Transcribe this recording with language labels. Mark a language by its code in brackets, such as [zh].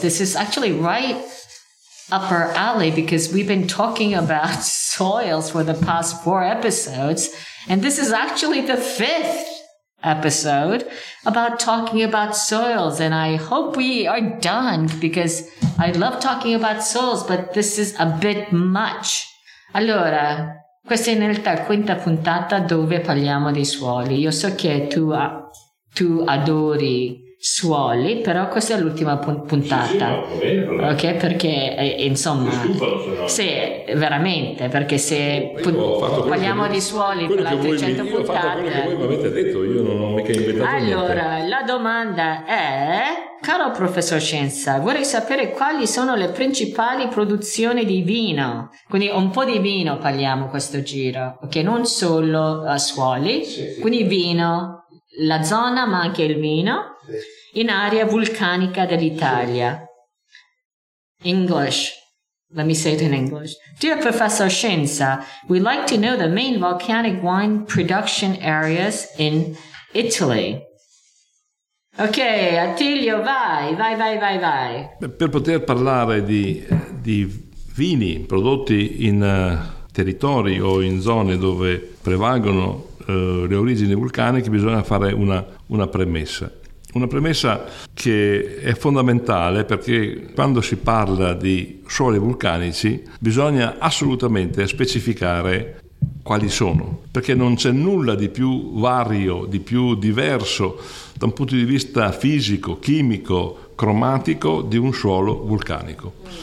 [en] This is actually right up our alley because we've been talking about soils for the past four episodes, and this is actually the fifth episode about talking about soils, and I hope we are done because I love talking about soils, but this is a bit much. [it] Allora, questa è in realtà la quinta puntata dove parliamo dei suoli. Io so che tu adori suoli, però questa è l'ultima puntata. Sì, va bene. Ok, perché insomma, sì, veramente, perché se parliamo di suoli per altre 100 puntate, quello che voi mi avete detto, io non ho mica inventato allora, niente. Allora, la domanda è: caro professor Scienza, vorrei sapere quali sono le principali produzioni di vino. Quindi un po' di vino parliamo questo giro, ok, non solo suoli, sì, quindi sì. Vino, la zona, ma anche il vino. In area vulcanica dell'Italia. English. [en] Let me say it in English. Dear Professor Scienza, we'd like to know the main volcanic wine production areas in Italy. [it] Ok, Attilio, vai. Per poter parlare di vini prodotti in territori o in zone dove prevalgono le origini vulcaniche, bisogna fare una premessa. Una premessa che è fondamentale, perché quando si parla di suoli vulcanici bisogna assolutamente specificare quali sono, perché non c'è nulla di più vario, di più diverso da un punto di vista fisico, chimico, cromatico di un suolo vulcanico.